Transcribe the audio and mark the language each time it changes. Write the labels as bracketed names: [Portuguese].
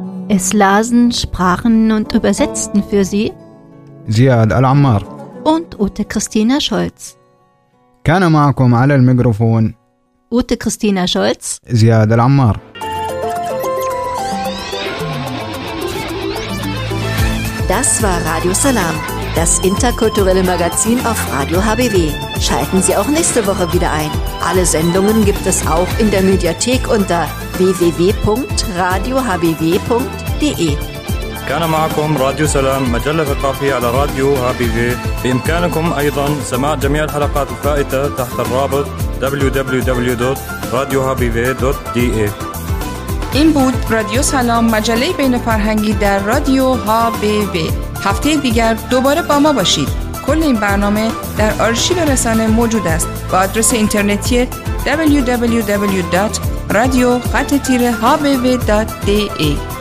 [German] Es lasen, sprachen und übersetzten für Sie Ziad Al-Ammar und Ute Christina Scholz. [Arabic] كان معكم على الميكروفون Ute Christina Scholz, Ziad Al-Ammar. [German] Das war Radio Salam, das interkulturelle Magazin auf Radio HBW. Schalten Sie auch nächste Woche wieder ein. Alle Sendungen gibt es auch in der Mediathek unter www.radiohbw.de. [Arabic] كان معكم راديو سلام مجلة ثقافية على راديو HBW. بإمكانكم أيضا سماع جميع الحلقات الفائتة تحت الرابط www.radiohbw.de. [Persian] این بود رادیو سلام، مجله بین فرهنگی در رادیو HBW. هفته دیگر دوباره با ما باشید. کل این برنامه در آرشیو رسانه موجود است با آدرس اینترنتی www.radio-hbw.de.